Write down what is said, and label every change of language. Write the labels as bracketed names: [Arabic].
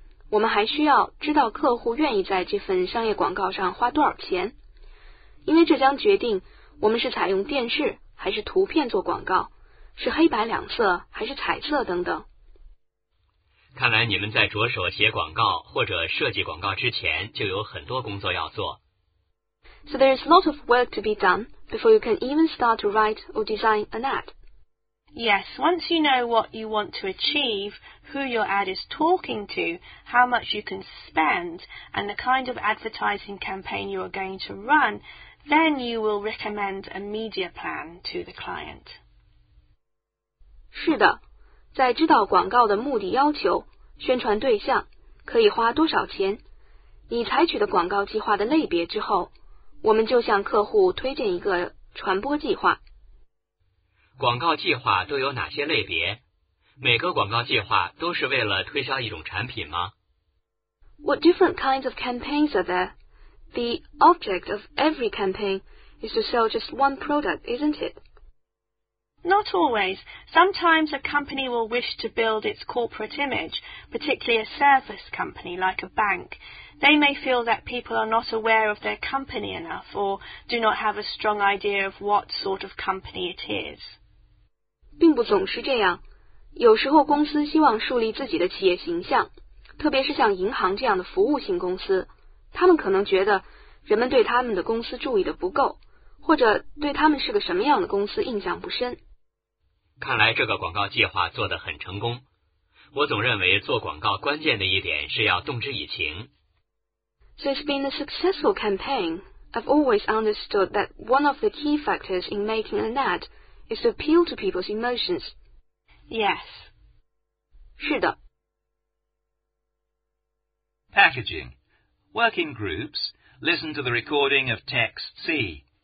[Chinese] 我们还需要知道客户愿意在这份商业广告上花多少钱，因为这将决定我们是采用电视还是图片做广告，是黑白两色还是彩色等等。看来你们在着手写广告或者设计广告之前，就有很多工作要做。 [English] So there is a lot of work to be done. Before you can even start to write or design an ad. Yes, once you know what you want to achieve, who your ad is talking to, how much you can spend, and the kind of advertising campaign you are going to run, then you will recommend a media plan to the client. [Chinese] 是的，在知道广告的目的要求、宣传对象、可以花多少钱、你采取的广告计划的类别之后，我们就向客户推荐一个传播计划。广告计划都有哪些类别？每个广告计划都是为了推销一种产品吗？ [English] What different kinds of campaigns are there? The object of every campaign is to sell just one product, isn't it? Not always. Sometimes a company will wish to build its corporate image, particularly a service company like a bank. They may feel that people are not aware of their company enough or do not have a strong idea of what sort of company it is. [Chinese] 并不总是这样。有时候公司希望树立自己的企业形象，特别是像银行这样的服务性公司，他们可能觉得人们对他们的公司注意的不够，或者对他们是个什么样的公司印象不深。看来这个广告计划做得很成功。我总认为做广告关键的一点是要动之以情。 [English] So it's been a successful campaign. I've always understood that one of the key factors in making an ad is to appeal to people's emotions. Yes. [Chinese] 是的。 [English] Packaging. Work in groups. Listen to the recording of text C.